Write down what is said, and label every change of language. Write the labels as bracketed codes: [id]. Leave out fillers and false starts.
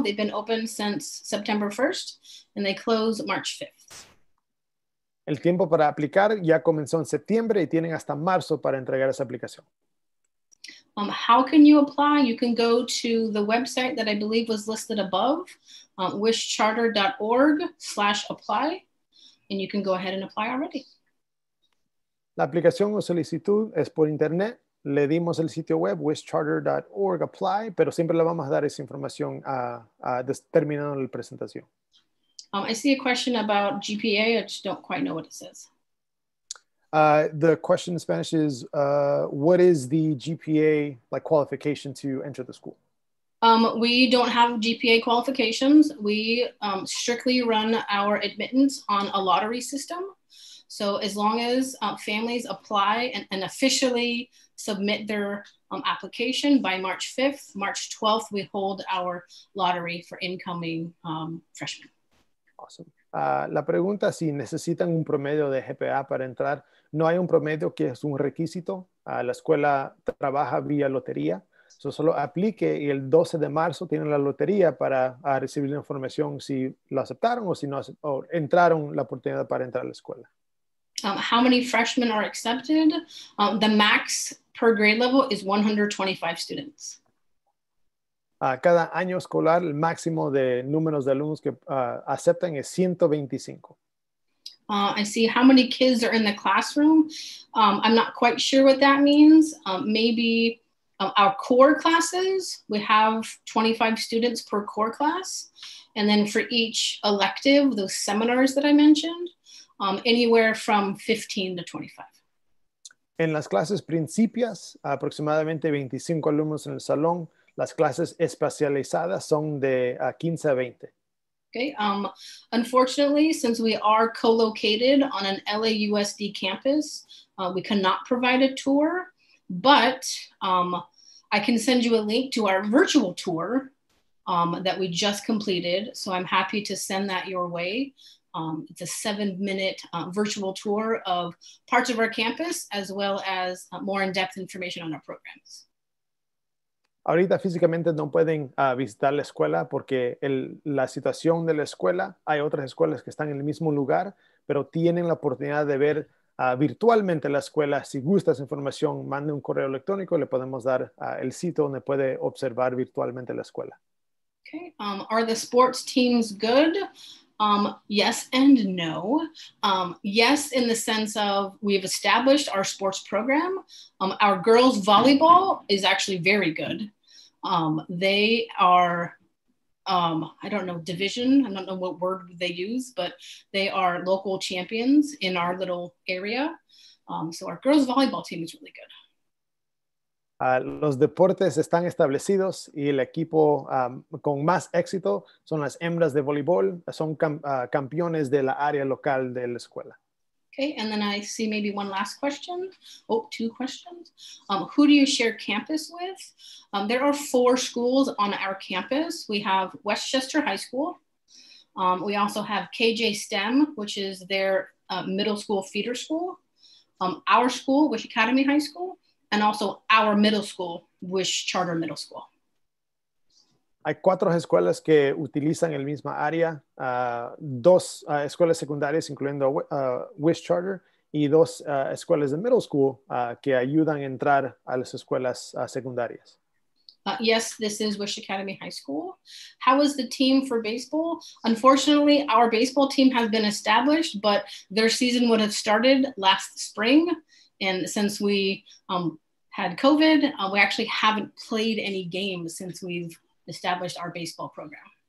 [en] They've been open since September 1st and they close March 5th. [es] El tiempo para aplicar ya comenzó en septiembre y tienen hasta marzo para entregar esa aplicación. [en] How can you apply? You can go to the website that I believe was listed above, wishcharter.org/apply, and you can go ahead and apply already. [es] La aplicación o solicitud es por internet. Le dimos el sitio web, wishcharter.org/apply, pero siempre le vamos a dar esa información terminando la presentación. [en] I see a question about GPA. I just don't quite know what it says. The question in Spanish is, what is the GPA like qualification to enter the school? We don't have GPA qualifications. We strictly run our admittance on a lottery system. So as long as families apply and officially submit their application by March 5th, March 12th, we hold our lottery for incoming freshmen. Awesome. [es] La pregunta si necesitan un promedio de GPA para entrar. No hay un promedio que es un requisito. La escuela trabaja vía lotería. So solo aplique y el 12 de marzo tienen la lotería para recibir la información si lo aceptaron o si no o entraron la oportunidad para entrar a la escuela. [en] How many freshmen are accepted? The max per grade level is 125 students. [es] Cada año escolar, el máximo de números de alumnos que aceptan es 125. [en] I see how many kids are in the classroom. I'm not quite sure what that means. Our core classes, we have 25 students per core class. And then for each elective, those seminars that I mentioned, anywhere from 15 to 25. [es] En las clases principias, aproximadamente 25 alumnos en el salón. Las clases especializadas son de 15 a 20. [en] Okay, unfortunately, since we are co-located on an LAUSD campus, we cannot provide a tour, but I can send you a link to our virtual tour that we just completed. So I'm happy to send that your way. It's a 7-minute virtual tour of parts of our campus, as well as more in-depth information on our programs. [es] Ahorita físicamente no pueden visitar la escuela porque la situación de la escuela, hay otras escuelas que están en el mismo lugar, pero tienen la oportunidad de ver virtualmente la escuela. Si gusta esa información, mande un correo electrónico y le podemos dar el sitio donde puede observar virtualmente la escuela. [en] Okay. Are the sports teams good? Yes and no. Yes, in the sense of we've established our sports program. Our girls volleyball is actually very good. They are, I don't know, division. I don't know what word they use, but they are local champions in our little area. So our girls volleyball team is really good. [es] Los deportes están establecidos y el equipo con más éxito son las hembras de voleibol, son campeones de la área local de la escuela. [en] Okay, and then I see maybe one last question. Oh, two questions. Who do you share campus with? There are 4 schools on our campus. We have Westchester High School. We also have KJ STEM, which is their middle school feeder school. Our school, Wish Academy High School. And also our middle school, Wish Charter Middle School. [es] Hay 4 escuelas que utilizan el misma área, 2 escuelas secundarias, incluyendo Wish Charter, y dos escuelas de middle school que ayudan a entrar a las escuelas secundarias. [en] Yes, this is Wish Academy High School. How is the team for baseball? Unfortunately, our baseball team has been established, but their season would have started last spring. And since we had COVID, we actually haven't played any games since we've established our baseball program.